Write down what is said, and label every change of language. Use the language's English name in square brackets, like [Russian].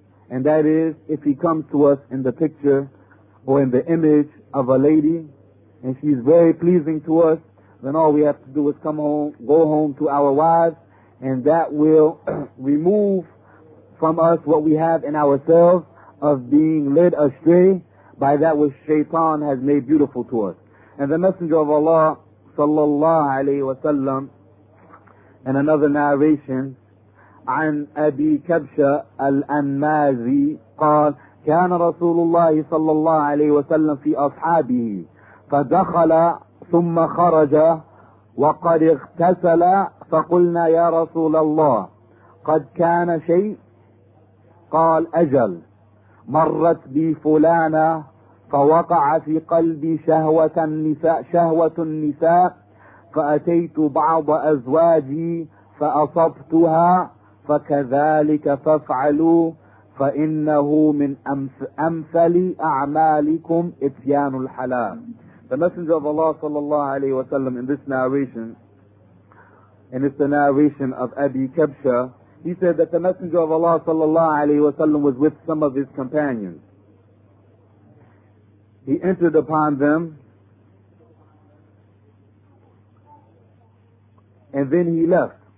[English] and that is if he comes to us in the picture or in the image of a lady, and she's very pleasing to us, then all we have to do is come home, go home to our wives, and that will remove from us what we have in ourselves of being led astray by that which shaitan has made beautiful to us. And the Messenger of Allah, sallallahu alayhi wa sallam, in another narration, [Arabic] عن أبي كبشة الأنمازي قال كان رسول الله صلى الله عليه وسلم في أصحابه فدخل ثم خرج وقد اغتسل فقلنا يا رسول الله قد كان شيء قال أجل مرت بي فلانة فوقع في قلبي شهوة النساء فأتيت بعض أزواجي فأصبتها فكذلك فافعلوا فإنه من أمثل أعمالكم إتيان الحلال. [English] The Messenger of Allah sallallahu alayhi wa sallam, in this narration, and it's the narration of Abi Kabsha, he said that the Messenger of Allah sallallahu alayhi wa sallam was with some of his companions. He entered upon them, and then he left.